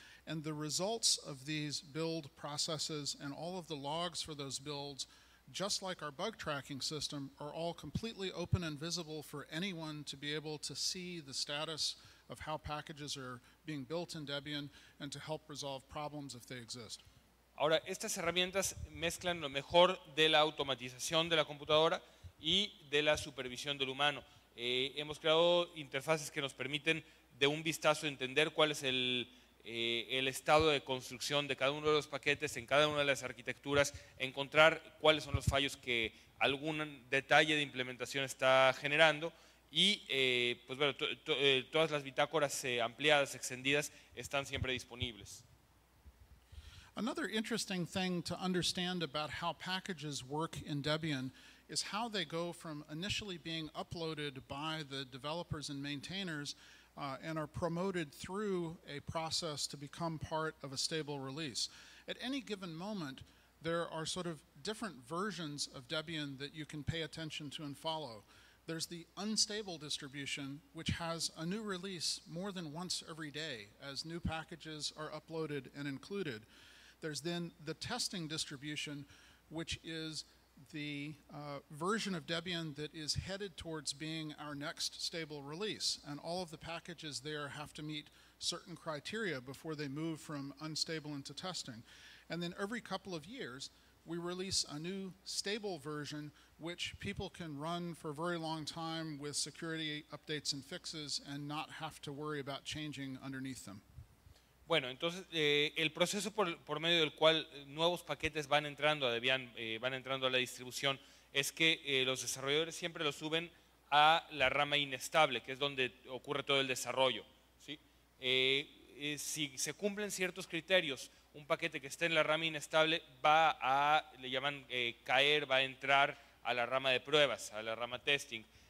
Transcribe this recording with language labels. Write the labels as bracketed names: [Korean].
[English] And the results of these build processes and all of the logs for those builds, just like our bug tracking system, are all completely open and visible for anyone to be able to see the status of how packages are being built in Debian and to help resolve problems if they exist. [Spanish] Ahora, estas herramientas mezclan lo mejor de la automatización de la computadora y de la supervisión del humano. Hemos creado interfaces que nos permiten de un vistazo entender cuál es el estado de construcción de cada uno de los paquetes en cada una de las arquitecturas, encontrar cuáles son los fallos que algún detalle de implementación está generando y pues bueno, todas las bitácoras ampliadas, extendidas, están siempre disponibles. [English] Another interesting thing to understand about how packages work in Debian is how they go from initially being uploaded by the developers and maintainers and are promoted through a process to become part of a stable release. At any given moment, there are sort of different versions of Debian that you can pay attention to and follow. There's the unstable distribution, which has a new release more than once every day as new packages are uploaded and included. There's then the testing distribution, which is the version of Debian that is headed towards being our next stable release. And all of the packages there have to meet certain criteria before they move from unstable into testing. And then every couple of years, we release a new stable version, which people can run for a very long time with security updates and fixes and not have to worry about changing underneath them. [Spanish] Bueno, entonces el proceso por medio del cual nuevos paquetes van entrando a Debian, van entrando a la distribución, es que los desarrolladores siempre los suben a la rama inestable, que es donde ocurre todo el desarrollo, ¿sí? Si se cumplen ciertos criterios, un paquete que esté en la rama inestable va a, le llaman caer, va a entrar a la rama de pruebas, a la rama testing.